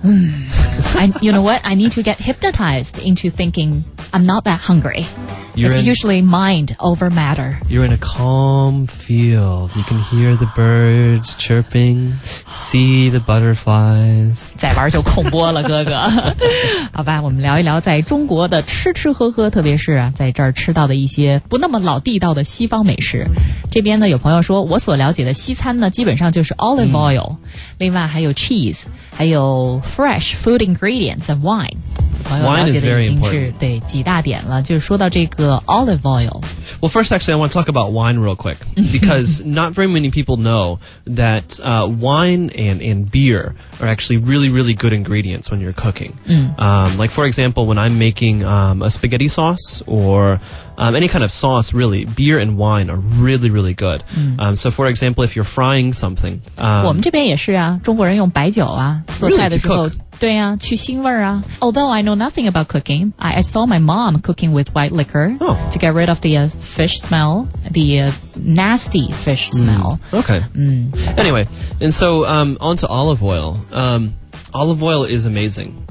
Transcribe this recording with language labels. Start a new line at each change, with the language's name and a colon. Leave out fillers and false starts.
English: You know what? I need to get hypnotized into thinking I'm not that hungry. It's usually mind over matter. You're in a calm field. You can hear the birds chirping, see the butterflies.
Chinese: 再玩就恐怖了，哥哥。好吧，我们聊一聊在中国的吃吃喝喝，特别是在这儿吃到的一些不那么老地道的西方美食。这边呢，有朋友说，我所了解的西餐呢，基本上就是 olive oil，另外还有 cheese， 还有
English: fresh food ingredients and wine。 Wine is very important.
Chinese: 对，几大点了，就是说到这个 olive oil.
English: Well, first, actually, I want to talk about wine real quick, because not very many people know that wine and beer are actually really, really good ingredients when you're cooking. Like, for example, when I'm making a spaghetti sauce or any kind of sauce, really, beer and wine are really, really good. So, for example, if you're frying something.
Chinese: 我们这边也是啊，中国人用白酒啊，做菜的时候。
English: Really, to cook.
Chinese: 对啊，去腥味啊。
English: Although I know nothing about cooking, I saw my mom cooking with white liquor to get rid of the fish smell, the nasty fish smell. Okay. Anyway, and so on to olive oil. Olive oil is amazing.